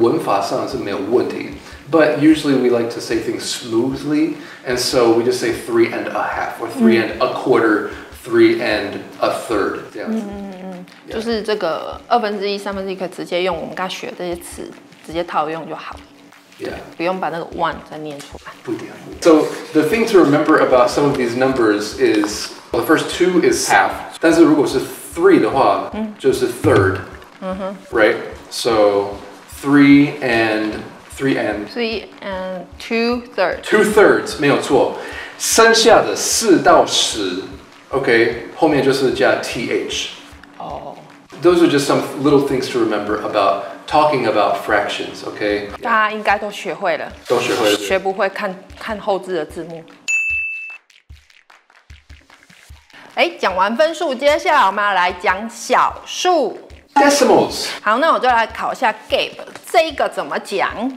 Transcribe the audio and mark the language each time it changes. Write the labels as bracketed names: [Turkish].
[Chinese] 文法上是没有问题 [English] ，but usually we like to say things smoothly, and so we just say 3.5 or 3.25, 3.33 [Chinese] 这样子。 [English] Yeah. [Chinese] 就是这个二分之一、三分之一可以直接用我们刚学的这些词直接套用就好了， [English] yeah. [Chinese] 不用把那个 one 再念出来。不一定。 [English] So the thing to remember about some of these numbers is well, the first two is half， [Chinese] 但是如果是 three 的话，就是 third， [English] right？ So three and two thirds， [Chinese] 没有错。剩下的四到十 ，OK， 后面就是加 th。 [English] Those are just some little things to remember about talking about fractions, okay? [Chinese] 大家应该都学会了。都学会了。学不会看看后字的字幕。哎，讲完分数，接下来我们要来讲小数。 [English] Decimals. [Chinese] 好，那我就来考一下 Gabe， 这一个怎么讲？